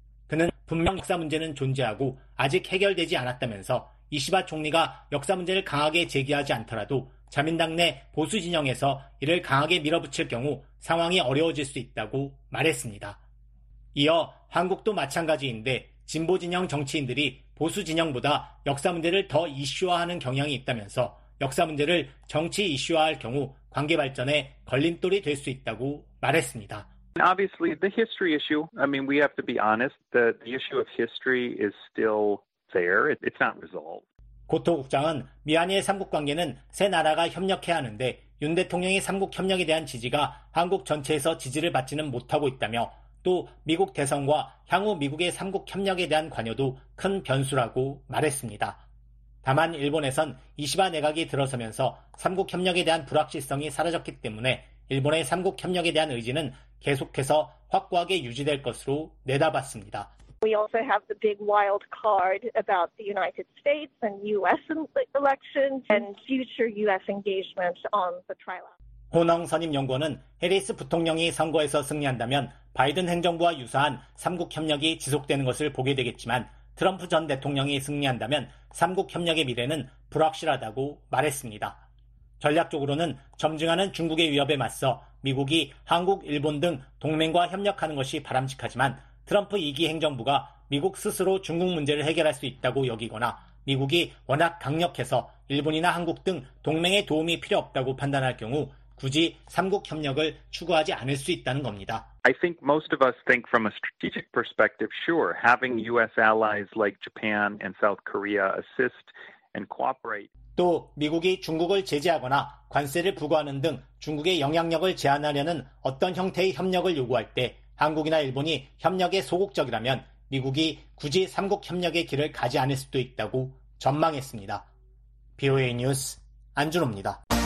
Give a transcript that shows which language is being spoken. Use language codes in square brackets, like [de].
[ko] 그는 분명 역사 문제는 존재하고 아직 해결되지 않았다면서 이시바 총리가 역사 문제를 강하게 제기하지 않더라도 자민당 내 보수 진영에서 이를 강하게 밀어붙일 경우 상황이 어려워질 수 있다고 말했습니다. 이어 한국도 마찬가지인데 진보 진영 정치인들이 보수 진영보다 역사 문제를 더 이슈화하는 경향이 있다면서 역사 문제를 정치 이슈화할 경우 관계 발전에 걸림돌이 될 수 있다고 말했습니다. [en] Obviously, the history issue, I mean, we have to be honest, the issue of history is still there. It's not resolved. [ko] 고토 국장은 미한일 3국 관계는 세 나라가 협력해야 하는데 윤 대통령의 3국 협력에 대한 지지가 한국 전체에서 지지를 받지는 못하고 있다며 또 미국 대선과 향후 미국의 3국 협력에 대한 관여도 큰 변수라고 말했습니다. 다만 일본에선 이시바 내각이 들어서면서 3국 협력에 대한 불확실성이 사라졌기 때문에 일본의 3국 협력에 대한 의지는 계속해서 확고하게 유지될 것으로 내다봤습니다. [en] We also have the big wild card about the United States and U.S. elections and future U.S. engagement on the trilateral. [ko] 혼영 선임 연구원은 해리스 부통령이 선거에서 승리한다면 바이든 행정부와 유사한 3국 협력이 지속되는 것을 보게 되겠지만 트럼프 전 대통령이 승리한다면 3국 협력의 미래는 불확실하다고 말했습니다. 전략적으로는 점증하는 중국의 위협에 맞서 미국이 한국, 일본 등 동맹과 협력하는 것이 바람직하지만 트럼프 2기 행정부가 미국 스스로 중국 문제를 해결할 수 있다고 여기거나 미국이 워낙 강력해서 일본이나 한국 등 동맹의 도움이 필요 없다고 판단할 경우 굳이 3국 협력을 추구하지 않을 수 있다는 겁니다. [en] I think most of us think from a strategic perspective, sure, having U.S. allies like Japan and South Korea assist and cooperate. [ko] 또 미국이 중국을 제재하거나 관세를 부과하는 등 중국의 영향력을 제한하려는 어떤 형태의 협력을 요구할 때 한국이나 일본이 협력에 소극적이라면 미국이 굳이 3국 협력의 길을 가지 않을 수도 있다고 전망했습니다. BOA 뉴스 안준호입니다.